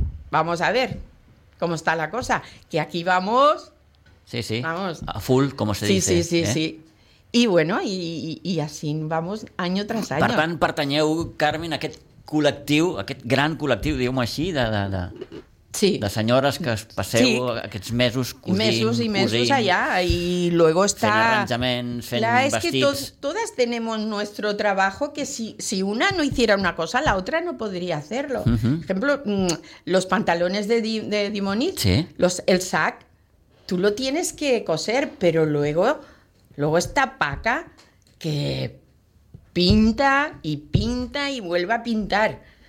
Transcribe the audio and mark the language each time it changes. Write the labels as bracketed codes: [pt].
[es] Vamos a ver cómo está la cosa. Que aquí vamos... Sí, sí. Vamos. A full, como se sí, dice. Sí, sí, ¿eh? Sí. Y bueno, y así vamos año tras año. [ca] Per tant, pertanyeu, Carmen, a aquest col·lectiu, a aquest gran col·lectiu, diguem-ho així, de... Sí. De senyores que es passeu sí. Aquests mesos cosint, mesos i mesos cosint, allà, i luego està... Fent arranjaments, fent clar, vestits... [es] Clar, és que todas tenemos nuestro trabajo, que si una no hiciera una cosa, la otra no podría hacerlo. Por uh-huh. Ejemplo, los pantalones de Dimonit, sí. El sac, tú lo tienes que coser, pero luego está Paca, que pinta y vuelve a pintar.